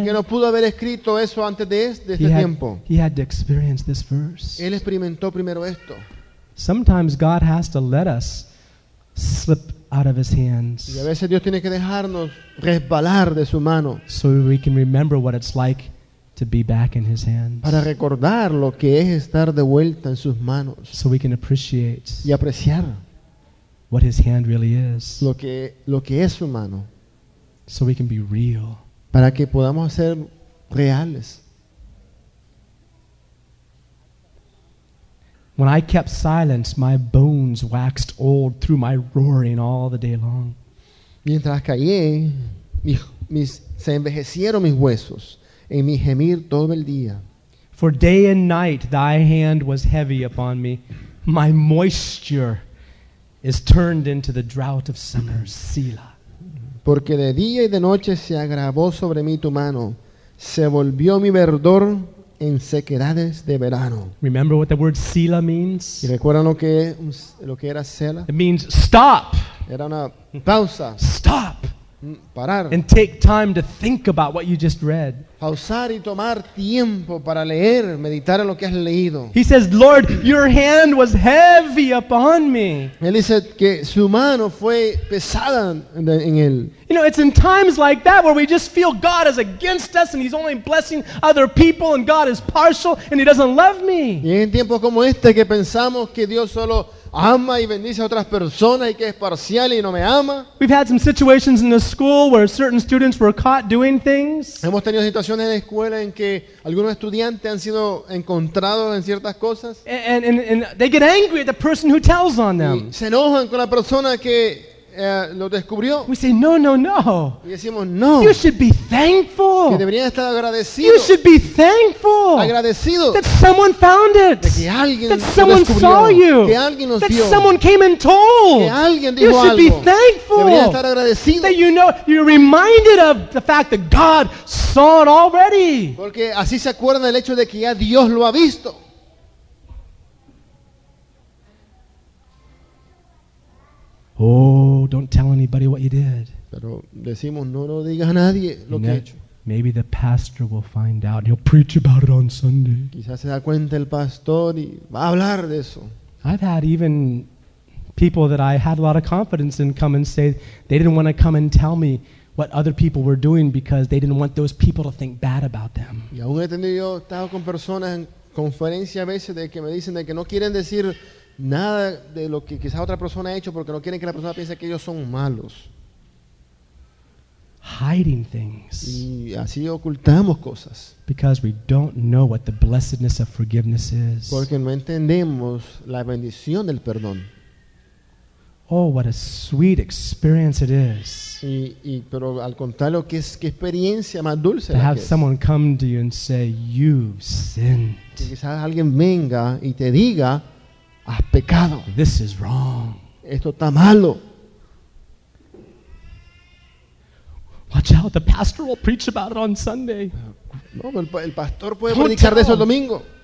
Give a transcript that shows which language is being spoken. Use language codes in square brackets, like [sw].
[es] Así que no pudo haber escrito eso antes tiempo. [en] He had to experience this first. [es] Él experimentó primero esto. [en] Sometimes God has to let us slip out of his hands. [es] Y a veces Dios tiene que dejarnos resbalar de su mano. [en] So we can remember what it's like to be back in his hands. [es] Para recordar lo que es estar de vuelta en sus manos. [en] So we can appreciate. [es] Y apreciar. [en] What his hand really is. [es] Lo que es su mano. [en] So we can be real. [es] Para que podamos ser reales. [en] When I kept silence, my bones waxed old through my roaring all the day long. [es] Mientras callé, se envejecieron mis huesos. En mi gemir todo el día. [en] For day and night thy hand was heavy upon me. My moisture is turned into the drought of summer. Selah. [es] Porque de día y de noche se agravó sobre mí tu mano. Se volvió mi verdor en sequedades de verano. [en] Remember what the word Selah means? [es] ¿Y recuerdan lo que era Selah? [en] It means stop. [es] Era una pausa. [en] Stop. [es] Parar. [en] And take time to think about what you just read. [es] Pausar y tomar tiempo para leer, meditar en lo que has leído. [en] He says, Lord, your hand was heavy upon me. [es] Él dice que su mano fue pesada en él. [en] You know, it's in times like that where we just feel God is against us and he's only blessing other people and God is partial and he doesn't love me. [es] Y en tiempos como este que pensamos que Dios solo ama y bendice a otras personas y que es parcial y no me ama. [en] We've had some situations in the school where certain students were caught doing things. [es] Hemos tenido situaciones en la escuela en que algunos estudiantes han sido encontrados en ciertas cosas. [en] And they get angry at the person who tells on them. [es] Y se enojan con la persona que lo descubrió. [en] We say no, no, no. [es] Y decimos no. [en] You should be thankful. [es] Que deberían estar agradecidos. [en] You should be thankful. [es] Agradecidos. [en] That someone found it. [es] De que alguien [en] that someone saw you. [es] Que alguien nos [en] that [es] vio. [en] That someone came and told. [es] Que alguien dijo algo. [en] You should [es] algo. [en] Be thankful. [es] Deberían estar agradecidos. [en] That you know you're reminded of the fact that God saw it already. [es] Porque así se acuerdan del hecho de que ya Dios lo ha visto. [en] Oh, don't tell anybody what you did. [es] Pero decimos, no, no digas a nadie lo que he hecho. [en] Maybe the pastor will find out. He'll preach about it on Sunday. [es] Quizás se da cuenta el pastor y va a hablar de eso. [en] I've had even people that I had a lot of confidence in come and say they didn't want to come and tell me what other people were doing because they didn't want those people to think bad about them. [es] Y aún he tenido yo estado con personas en conferencia a veces de que me dicen de que no quieren decir nada de lo que quizás otra persona ha hecho porque no quieren que la persona piense que ellos son malos. [en] Hiding things. [es] Y así ocultamos cosas. [en] Because we don't know what the blessedness of forgiveness is. [es] Porque no entendemos la bendición del perdón. [en] Oh, what a sweet experience it is. [es] Y pero al contrario, qué experiencia más dulce. [en] To have someone come to you and say you've sinned. [es] Y quizás alguien venga y te diga, has pecado. [en] This is wrong. [es] Esto está malo. [en] Watch out, the pastor will preach about it on Sunday. [es] No, el pastor puede predicar de eso el domingo.